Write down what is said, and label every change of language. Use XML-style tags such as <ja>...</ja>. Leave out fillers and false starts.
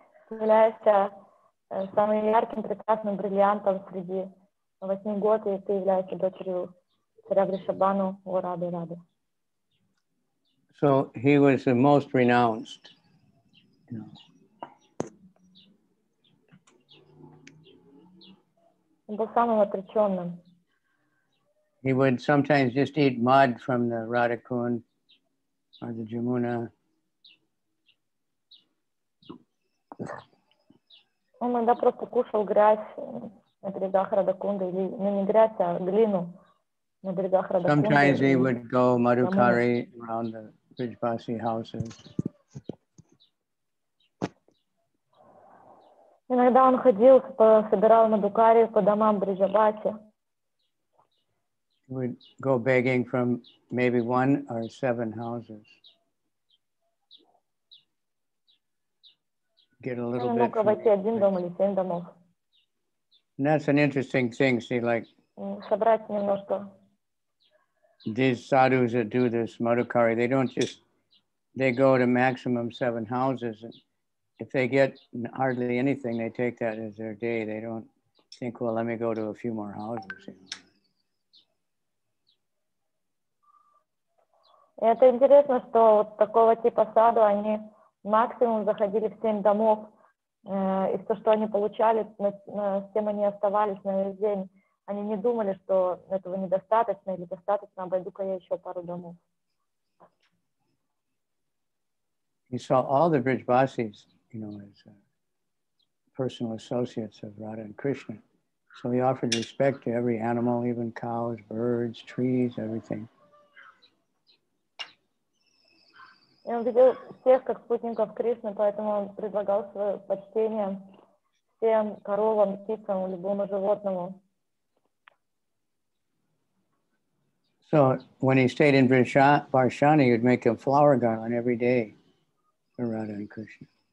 <ru>Являешься самым ярким, прекрасным бриллиантом среди восьми год, и ты являешься дочерью царя Вришабану, о Радхе Радхе.</ru> <en>So he was the most renounced.</en> <ru>Он был самым отреченным.</ru> <en>He would sometimes just eat mud from the Radhakund or the Jamuna.</en> <ru>Он иногда просто кушал грязь на берегах Радакунды, или ну, не грязь, а глину на берегах Радакунды.</ru> <en>Sometimes they would go Madhukari around the Brijbasi houses.</en> <ru>Иногда он ходил, собирал Мадхукари по домам Бриджабаси.</ru> <en>Would go begging from maybe one or seven houses. Get a little bit from there.</en> <ru>Один дом или семь домов.</ru> <en>And that's an interesting thing, see, like</en> <ru>собрать немножко.</ru> <en>These sadhus that do this Madhukari, they don't just, they go to maximum seven houses. And if they get hardly anything, they take that as their day. They don't think, well, let me go to a few more houses.</en> <ru>Это интересно, что вот такого типа саду они максимум заходили в семь домов, и то, что они получали, с тем они оставались на весь день. Они не думали, что этого недостаточно или достаточно, обойду-ка я еще пару домов.</ru> <en>He saw all the Brijbasis, you know, as personal associates of Radha and Krishna. So he offered respect to every animal, even cows, birds, trees, everything.</en> <ru>И он видел всех как спутников Кришны, поэтому он предлагал свое почтение всем коровам, птицам, любому животному.</ru> <en>So when he stayed in Varshani, he would make him flower garland every day for Radha and Krishna.</en>